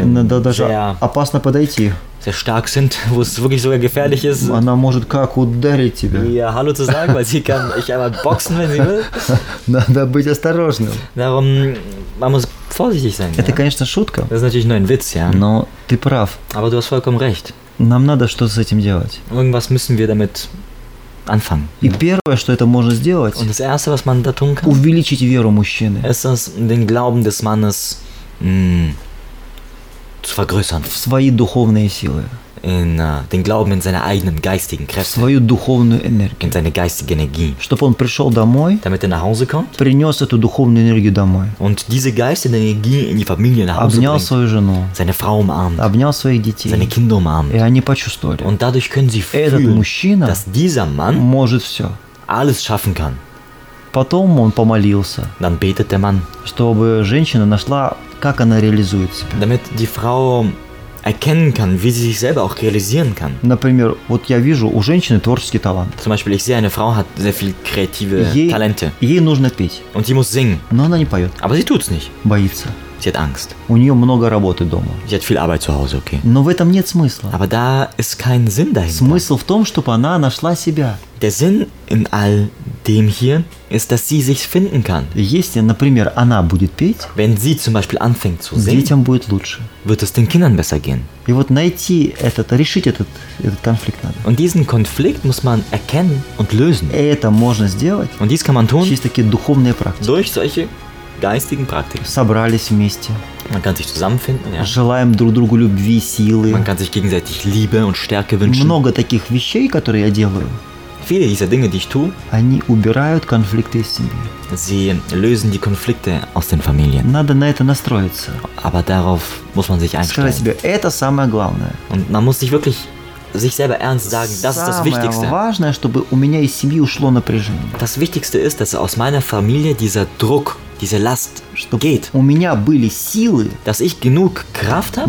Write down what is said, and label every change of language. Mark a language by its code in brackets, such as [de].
[ru] da, даже sehr, опасно подойти. [de] Sehr stark sind, wo es wirklich sogar gefährlich ist. [ru] Она может как ударить тебя. [de] Ja, hallo zu sagen, weil sie kann ich einmal boxen, wenn sie will. [ru] Надо быть осторожным. [de] Darum, man muss vorsichtig sein. [ru] Это, ja? Конечно, шутка. [de] Das ist natürlich nur ein Witz, ja. [ru] Но ты прав. [de] Aber du hast vollkommen recht. [ru] Нам надо что-то с этим делать. [de] Irgendwas müssen wir damit anfangen. [ru] И первое, что это можно сделать, [de] und das erste, was man da tun kann, [ru] увеличить веру мужчины. [de] Ist das, den Glauben des Mannes zu vergrößern. [ru] В свои духовные силы. [de] In, den Glauben in seine eigenen geistigen Kräfte. [ru] В свою духовную энергию. [de] In seine geistige Energie. [ru] Чтобы он пришел домой, [de] damit er nach Hause kommt, [ru] принес эту духовную энергию домой. [de] Und diese geistige Energie in die Familie nach Hause [ru] обнял [de] bringt, [ru] свою жену. [de] Seine Frau umarmt. [ru] Обнял своих детей. [de] Seine Kinder umarmt. [ru] И они почувствовали. [de] Und dadurch können sie fühlen, [ru] этот мужчина, [de] dass dieser Mann [ru] может все. [de] Alles schaffen kann. [ru] Потом он помолился. [de] Dann betet der Mann. [ru] Чтобы женщина нашла, как она реализует себя. [de] Damit die Frau erkennen kann, wie sie sich selber auch realisieren kann. [ru] Например, вот я вижу у женщины творческий талант. [de] Zum Beispiel, ich sehe, eine Frau hat sehr viel kreative Talente. [ru] Ей нужно петь. [de] Und sie muss singen. [ru] Но она не поет. [de] Aber sie tut's nicht. [ru] Боится. [de] Sie hat Angst. [ru] У нее много работы дома. [de] Sie hat viel Arbeit zu Hause, okay. [ru] Но в этом нет смысла. [de] Aber da ist kein Sinn dahinter. [ru] Смысл в том, чтобы она нашла себя. [de] Der Sinn in all dem hier ist, dass sie sich finden kann. [ru] Если, например, она будет петь, [de] wenn sie zum Beispiel anfängt zu singen, [ru] детям будет лучше. [de] Wird es den Kindern besser gehen. [ru] И вот найти этот, решить этот конфликт надо. [de] Und diesen Konflikt muss man erkennen und lösen. [ru] Это можно сделать. [de] Und dies kann man tun. [ru] Через такие духовные практики. [de] Durch solche geistigen Praktiken. [ru] Собрались вместе. [de] Man kann sich zusammenfinden, ja. [ru] Желаем друг другу любви, силы. [de] Man kann sich gegenseitig Liebe und Stärke wünschen. [ru] Много таких вещей, которые я делаю. [de] Viele dieser Dinge, die ich tue, [ru] они убирают конфликты из семьи. [de] Sie lösen die Konflikte aus den Familien. [ru] Надо на это настроиться. [de] Aber darauf muss man sich einstellen. [ru] Себе, это самое главное. [de] Und man muss sich wirklich sich selber ernst sagen, das [ru] самое [de] ist das Wichtigste. [ru] Важное, чтобы у меня из семьи ушло напряжение. [de] Das Wichtigste ist, dass aus meiner Familie dieser Druck, diese Last [ru] чтобы [de] geht. [ru] У меня были силы, [de] dass ich genug Kraft habe,